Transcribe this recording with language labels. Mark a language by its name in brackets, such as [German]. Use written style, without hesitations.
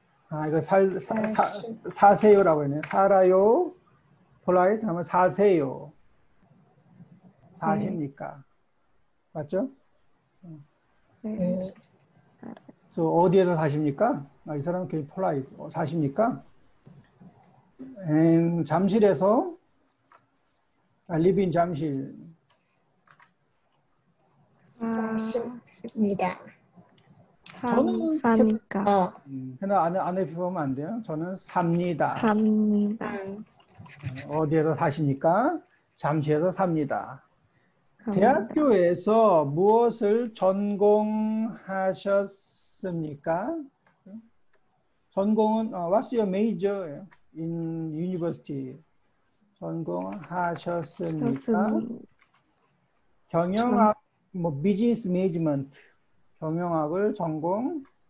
[Korean] 아 이거 사세요라고 했네. 살아요. 폴라이트 하면 사세요. 사십니까? 맞죠? 그래서 so, 어디에서 사십니까? 아, 이 사람은 굉장히 폴라이트. 사십니까? [English] And 잠실에서 I live in 잠실. [Korean] 사십니다. 삽니까? 근데 안에 보면 안 돼요. 저는 삽니다. 삽니다. 어디에서 사십니까? 잠실에서 삽니다. 대학교에서 무엇을 전공하셨습니까? [English] 전공은 what's your major in university? [Korean] 전공하셨습니까? 경영학 뭐 [English] business management [Korean] 경영학을 전공